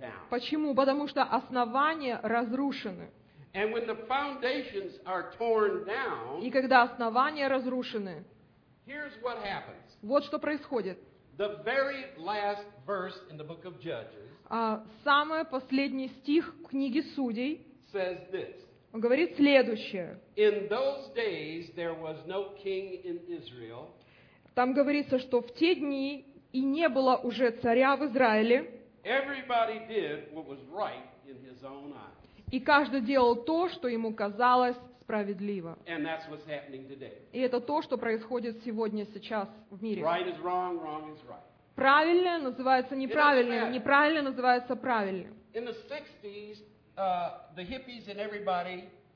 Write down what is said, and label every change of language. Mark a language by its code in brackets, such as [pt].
[ru] Почему? Потому что основания разрушены. [en] And when the foundations are torn down, [ru] и когда основания разрушены, [en] here's what happens. [ru] Вот что происходит. [en] The very last verse in the book of Judges, [ru] самый последний стих книги Судей, [en] says this. [ru] Говорит следующее. [en] In those days there was no king in Israel. [ru] Там говорится, что в те дни и не было уже царя в Израиле. [en] Everybody did what was right in his own eyes. [ru] И каждый делал то, что ему казалось справедливо. [en] And that's what's happening today. [ru] И это то, что происходит сегодня, сейчас в мире. [en] Right is wrong, wrong is right. [ru] Правильное называется неправильным, неправильное называется правильным. [en] In the 60s, the hippies and everybody,